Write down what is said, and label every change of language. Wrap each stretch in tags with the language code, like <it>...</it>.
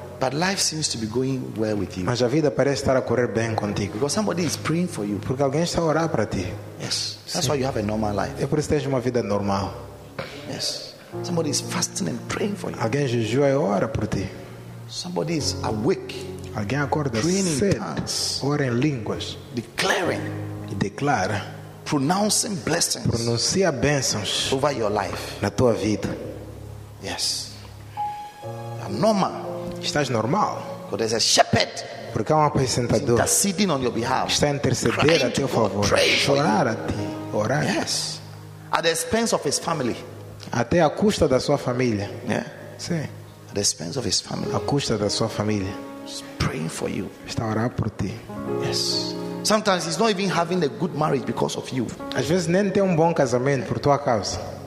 <en>But life seems to be going well with you.</en> <pt>Mas a vida parece estar a correr bem contigo.</pt> <en>Because somebody is praying for you.</en> <pt>Porque alguém está a orar para ti.</pt> <en>Yes.</en> <pt>Sim.</pt> <en>That's why you have a normal life.</en> <pt>É por isso que tens uma vida normal.</pt> <en>Yes. Somebody is fasting and praying for you.</en> <pt>Alguém jejua e ora por ti.</pt> <en>Somebody is awake.</en> <pt>Alguém acorda</pt> <en>praying</en> <pt>cedo.</pt> <en>In tongues,</en> <pt>ora em línguas.</pt> <en>Declaring.</en> <pt>E declara.</pt> <en>Pronouncing blessings.</en> <pt>Pronuncia bênçãos.</pt> <en>Over your life.</en> <pt>Na tua vida.</pt> <en>Yes. Normal.</en> <pt>Estás normal.</pt> <en>For there's a shepherd.</en> <pt>Porque há um apacentador.</pt> <en>Interceding on your behalf.</en> <pt>Está interceder a teu favor. Chorar a ti. Orar.</pt> <en>Yes. At the expense of his family.</en> <pt>Até a custa da sua família.</pt> <en>Yeah.</en> <pt>Sim.</pt> <en>At the expense of his family.</en> <pt>A custa da sua família.</pt> <en>He's praying for you.</en> <pt>Está orar por ti.</pt> <en>Yes. Sometimes he's not even having a good marriage because of you.</en> <pt>Às vezes nem tem bom casamento por tua causa.</pt>